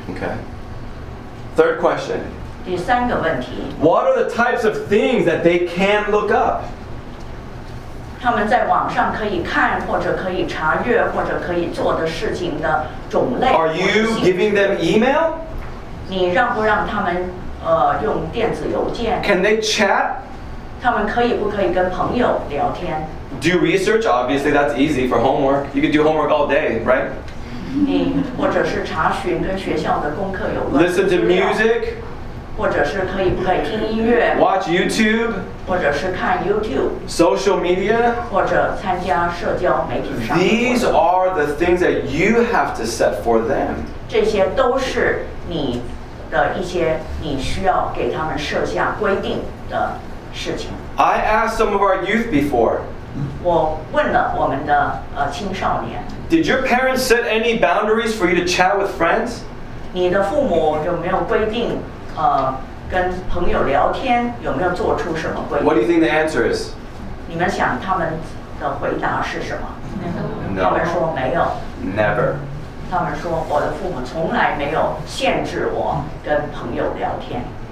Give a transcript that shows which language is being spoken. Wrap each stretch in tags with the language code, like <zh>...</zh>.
<en>Okay. Third question.</en> <zh>第三个问题。</zh> <en>What are the types of things that they can look up?</en> <zh>他们在网上可以看或者可以查阅或者可以做的事情的种类。</zh> <en>Are you giving them email?</en> <zh>你让不让他们用电子邮件</zh> <en>？Can they chat?</en> <zh>他们可以不可以跟朋友聊天</zh> <en>？Do research? Obviously, that's easy for homework. You can do homework all day, right?</en> <zh>你或者是查询跟学校的功课有关。</zh> <en>Listen to music.</en> <zh>或者是可以不可以听音乐</zh> <en>？Watch YouTube.</en> <zh>或者是看 YouTube,</zh> <en>social media,</en> <zh>或者参加社交媒体上。</zh> <en>These are the things that you have to set for them.</en> <zh>这些都是你的一些你需要给他们设下规定的事情。</zh> <en>I asked some of our youth before.</en> <zh>我问了我们的青少年。</zh> <en>Did your parents set any boundaries for you to chat with friends?</en> <zh>你的父母有没有规定跟朋友聊天有没有做出什么规定</zh> <en>？What do you think the answer is？</en> <zh>你们想他们的回答是什么</zh> <en>？No。</en> <zh>他们说没有。</zh> <en>Never。</en> <zh>他们说我的父母从来没有限制我跟朋友聊天。</zh>